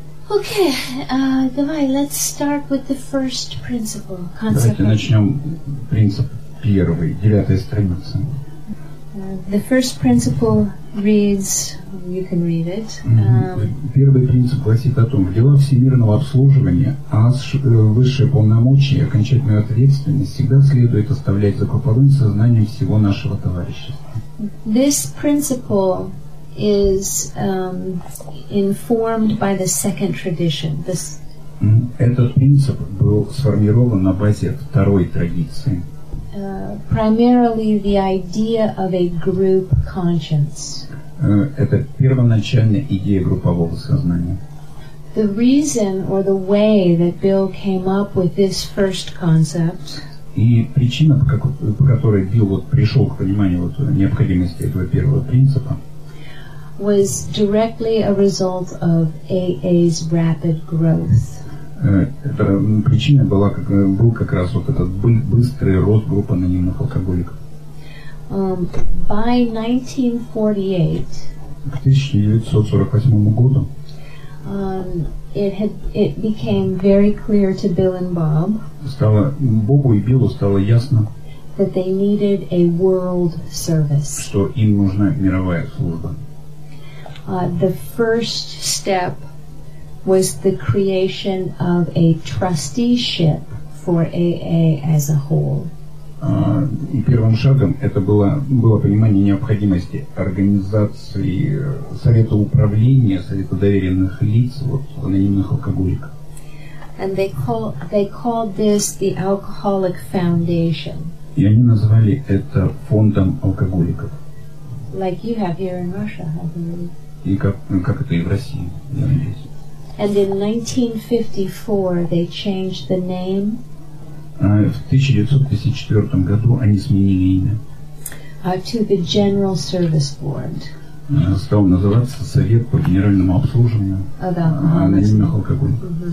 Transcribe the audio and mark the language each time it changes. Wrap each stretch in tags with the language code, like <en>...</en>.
<en>Okay,</en> <ru>давай,</ru> <en>let's start with the first principle.</en> <ru>Давайте начнем принцип первый, девятая страница.</ru> <en>The first principle reads, you can read it.</en> <ru>Первый принцип гласит о том, в дела всемирного обслуживания, а высшее полномочие и окончательную ответственность всегда следует оставлять за групповым сознанием всего нашего товарищества.</ru> <en>This principle is informed by the second tradition.</en> <ru>Этот принцип был сформирован на базе второй традиции.</ru> <en>Primarily the idea of a group conscience.</en> <ru>Это первоначальная идея группового сознания.</ru> <en>The reason or the way that Bill came up with this first concept.</en> <ru>И причина, по которой Билл вот пришел к пониманию вот необходимости этого первого принципа,</ru> <en>was directly a result of AA's rapid growth.</en> <ru>Это причина была, как, был как раз вот этот быстрый рост группы анонимных алкоголиков.</ru> <en>By 1948,</en> <ru>к 1948 году,</ru> <en>it became very clear to Bill and Bob,</en> <ru>стало, Бобу и Биллу стало ясно,</ru> <en>that they needed a world service.</en> <ru>Что им нужна мировая служба.</ru> <en>The first step was the creation of a trusteeship for AA as a whole.</en> <ru>И первым шагом это было понимание необходимости организации совета управления, совета доверенных лиц вот анонимных алкоголиков.</ru> <en>And they called this the Alcoholic Foundation.</en> <ru>И они называли это фондом алкоголиков.</ru> <en>Like you have here in Russia, I believe.</en> <ru>И как это и в России, я надеюсь.</ru> <en>And in 1954 they changed the name.</en> <ru>В 1954 году они сменили имя.</ru> <en>To the General Service Board.</en> <ru>Стал называться Совет по генеральному обслуживанию анонимных алкоголиков.</ru>